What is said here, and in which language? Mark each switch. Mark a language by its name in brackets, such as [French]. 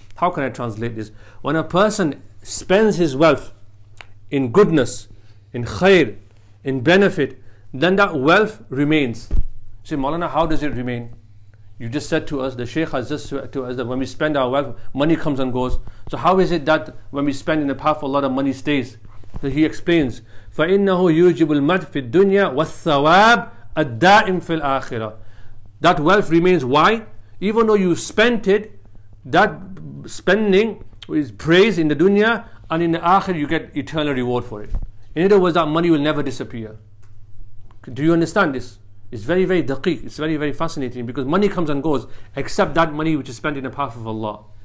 [English] How can I translate this? When a person spends his wealth in goodness, in khair, in benefit, then that wealth remains. Say, Maulana, how does it remain? You just said to us, the Shaykh has just said to us that when we spend our wealth, money comes and goes. So how is it that when we spend in the path of Allah, the money stays? [Arabic] So he explains, فَإِنَّهُ يُوجِبُ الْمَدْ فِي الدُّنْيَا وَالثَّوَابِ الدَّائِمْ فِي الْآخِرَةِ. [English] That wealth remains. Why? Even though you spent it, that spending is praise in the dunya, and in the akhir you get eternal reward for it. In other words, that money will never disappear. Do you understand this? It's very, very daqiq. It's very, very fascinating because money comes and goes, except that money which is spent in the path of Allah.